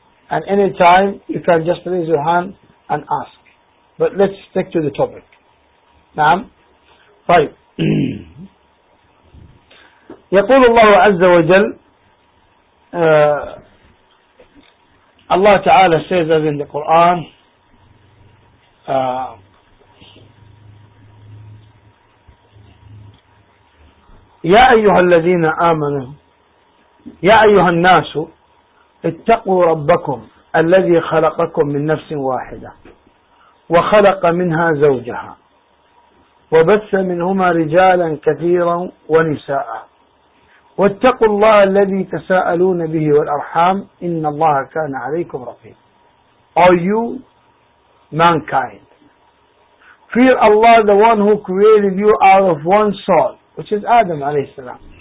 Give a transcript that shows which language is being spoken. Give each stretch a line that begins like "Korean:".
English: And any time you can just raise your hand and ask. But let's stick to the topic. Naam? Right.
Arabic: يقول الله عز وجل الله تعالى
English: says as in the Quran
Arabic: يا أيها الذين آمنوا يا أيها الناس اتقوا ربكم الذي خلقكم من نفس واحدة وخلق منها زوجها وبث منهما رجالا كثيرا ونساء واتقوا الله الذي تساءلون به والأرحام إن الله كان عليكم رقيبا.
English: Are you mankind? Fear Allah, the one who created you out of one soul, which is Adam
Arabic: عليه السلام.